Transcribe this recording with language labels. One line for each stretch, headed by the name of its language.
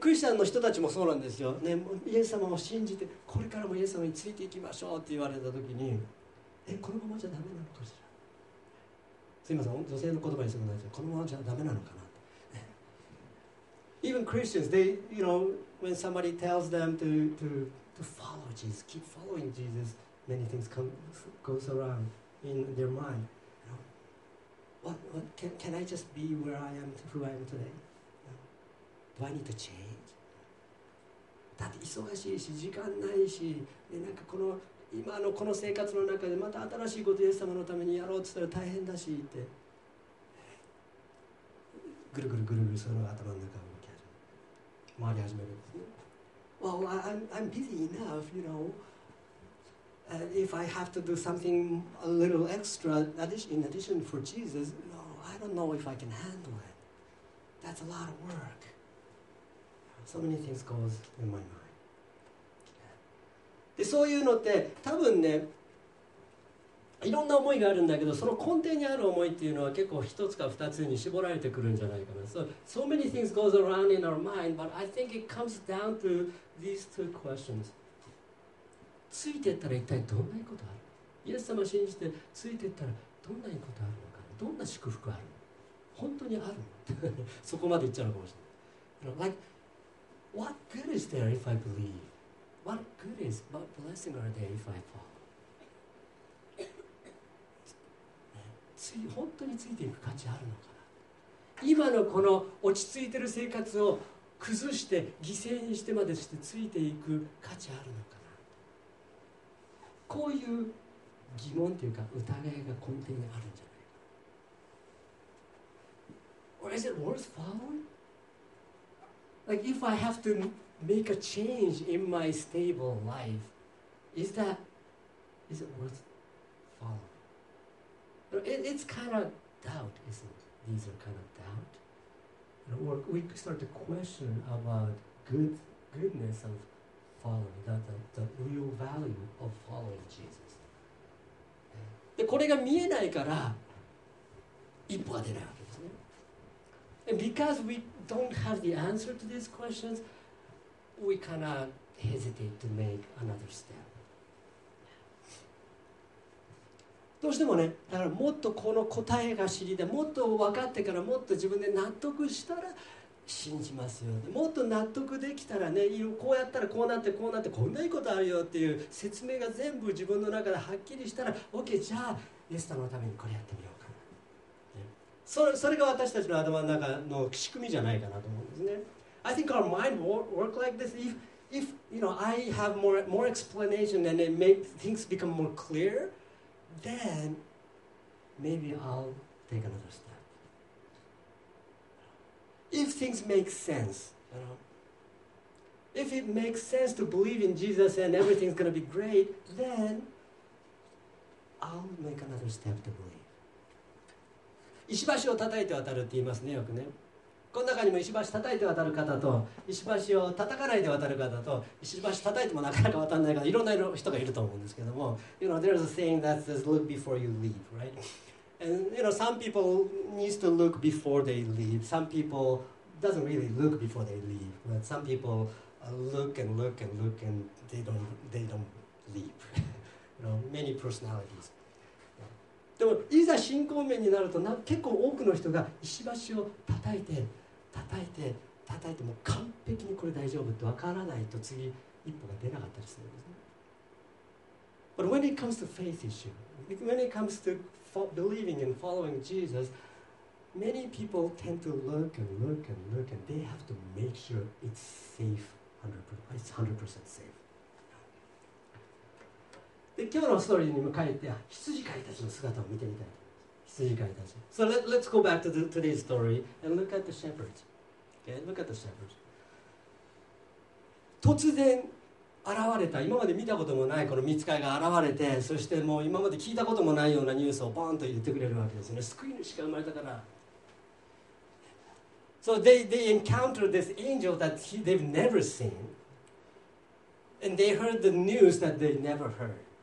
Japanese: クリスチャンの人たちもそうなんですよ。ね、イエス様を信じて、これからもイエス様についていきましょうって言われたときに、このままじゃダメなのかしら。すみません、女性の言葉にしてもないですよ。このままじゃダメなのかな。
English: Even Christians, they, you know, when somebody tells them to follow Jesus, keep following Jesus, many things goes around in their mind. You know, can I just be where I am, who I am today? Do I need to change?
Japanese: だって忙しいし時間ないし、ね、なんかこの今のこの生活の中でまた新しいことをイエス様のためにやろうって言ったら大変だしって、ぐるぐるぐるぐるその頭の中を回り始めるんですね。
English: Well, I'm busy enough, you know. If I have to do something a little extra in addition for Jesus, no, I don't know if I can handle it. That's a lot of work. So many things goes in my mind.
Japanese: で、そういうのって多分ね、いろんな思いがあるんだけど、その根底にある思いっていうのは結構一つか二つに絞られてくるんじゃないかな。
English: So many things goes around in our mind, but I think it comes down to these two questions.
Japanese: ついていったら一体どんないいことある。イエス様信じてついていったらどんないいことあるのか、どんな祝福あるの、本当にあるのそこまで言っちゃうかもしれない。
English: You know, like, what good is there if I believe? What good is, what blessing are there if I follow?
Japanese: 本当についていく価値あるのかな。今のこの落ち着いてる生活を崩して犠牲にしてまでしてついていく価値あるのかな。こういう疑問というか疑いが根底にあるんじゃないか。
English: Or is it worth following? Like if I have to make a change in my stable life, is it worth following? It's kind of doubt, isn't it? These are kind of doubt. Or we start to question about goodness of following, the real value of following Jesus.
Japanese: で、これが見えないから一歩は出ないわけですね。
English: And because we don't have the answer to these questions, we kind of hesitate to make another step.
Japanese: どうしてもね、だからもっとこの答えが知りたい、もっと分かってからもっと自分で納得したら信じますよ、もっと納得できたらね、こうやったらこうなってこうなってこんないいことあるよっていう説明が全部自分の中ではっきりしたら OK、 じゃあイエス様のためにこれやってみようかな、ね、それが私たちの頭の中の仕組みじゃないかなと思うんですね。
English: I think our mind work like this. If you know, I have more explanation and it makes things become more clearThen maybe I'll take another step. If things make sense, you know, if it makes sense to believe in Jesus and everything's going to be great, then I'll make another step to believe.
Japanese: 石橋を叩いて渡るって言いますね、よくね。この中にも石橋叩いて渡る方と石橋を叩かないで渡る方と石橋叩いてもなかなか渡らない方、いろんな人がいると思うんですけども、
English: You know, there's a saying that says look before you leave, right? And you know, some people needs to look before they leave. Some people doesn't really look before they leave, but some people look and look and look and they don't leave. You know, many personalities.
Japanese: でもいざ信仰面になると結構多くの人が石橋を叩いて叩いて叩いてもう完璧にこれ大丈夫って分からないと次一歩が出なかったりするんですね。
English: But when it comes to faith issue, when it comes to believing and following Jesus, many people tend to look and look and look and they have to make sure it's safe, 100% safe.
Japanese: で今日のストーリーに向かって羊飼いたちの姿を見てみたい。羊飼いたち。
English: So let's go back to today's story and look at the shepherds. Okay, look at the shepherds.
Japanese: 突然現れた、今まで見たこともないこの御使いが現れて、そしてもう今まで聞いたこともないようなニュースをバーンと言ってくれるわけですね。救い主が生まれたから。
English: So they encountered this angel that they've never seen, and they heard the news that they never heard.